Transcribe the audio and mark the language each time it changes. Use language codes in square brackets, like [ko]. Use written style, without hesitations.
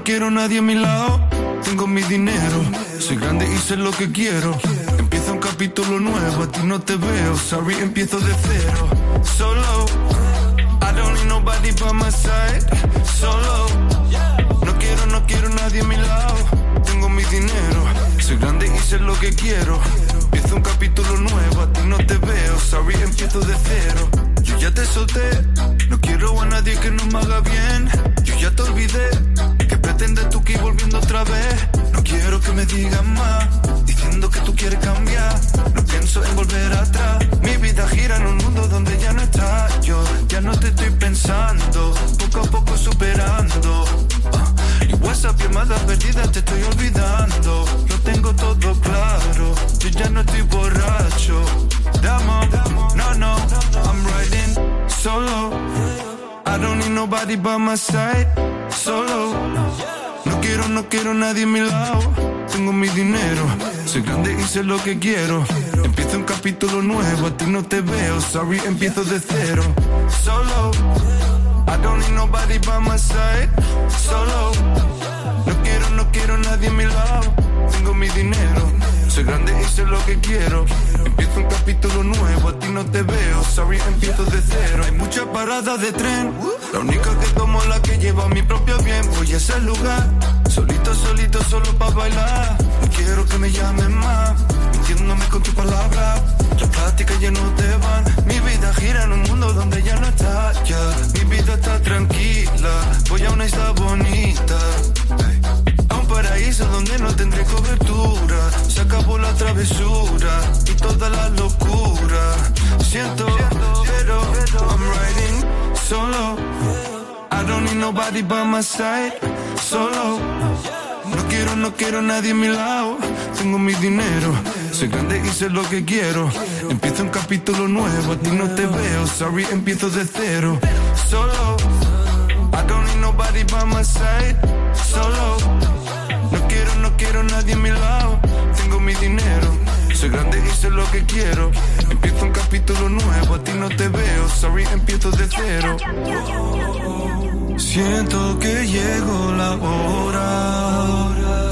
[es] Nadie a mi lado, tengo mi dinero. Soy grande y sé lo que quiero. Empiezo un capítulo nuevo, a ti no te veo. Sorry, empiezo de cero. [en] Solo, I don't need nobody by my side. [es] Solo, no quiero, no quiero nadie a mi lado. Tengo mi dinero, soy grande y sé lo que quiero. Empiezo un capítulo nuevo, a ti no te veo. Sorry, empiezo de cero. Yo ya te solté, no quiero a nadie que no me haga bien. Yo ya te olvidé. Pretende tú que volviendo otra vez. No quiero que me digas más, diciendo que tú quieres cambiar. No pienso en volver atrás. Mi vida gira en un mundo donde ya no estás. Yo ya no te estoy pensando, poco a poco superando. Y WhatsApp llamadas perdidas te estoy olvidando. Lo tengo todo claro, yo ya no estoy borracho. [en] Damo, no, no, I'm riding solo. I don't need nobody by my side. [es] Solo, no quiero, no quiero nadie a mi lado. Tengo mi dinero, soy grande y sé lo que quiero. Empiezo un capítulo nuevo, a ti no te veo. Sorry, empiezo de cero. [en] Solo, I don't need nobody by my side. [es] Solo, no quiero, no quiero nadie a mi lado. Tengo mi dinero, soy grande y sé lo que quiero. Empiezo un capítulo nuevo, a ti no te veo. Sorry, empiezo de cero. Hay muchas paradas de tren, la única que tomo es la que llevo a mi propio bien. Voy a ese lugar, solito, solito, solo pa' bailar. No quiero que me llamen más, mintiéndome con tu palabra. Las pláticas ya no te van. Mi vida gira en un mundo donde ya no está. Ya, mi vida está tranquila. Voy a una isla bonita, paraíso donde no tendré cobertura. Se acabó la travesura y toda la locura. Siento, pero [en] I'm riding solo. I don't need nobody by my side. [es] Solo, no quiero, no quiero nadie a mi lado. Tengo mi dinero, soy grande y sé lo que quiero. Empiezo un capítulo nuevo, a ti no te veo. Sorry, empiezo de cero. [en] Solo, I don't need nobody by my side. [es] Solo, no quiero, no quiero nadie a mi lado. Tengo mi dinero, soy grande y sé lo que quiero. Empiezo un capítulo nuevo, a ti no te veo. Sorry, empiezo de cero. Siento que llegó la hora.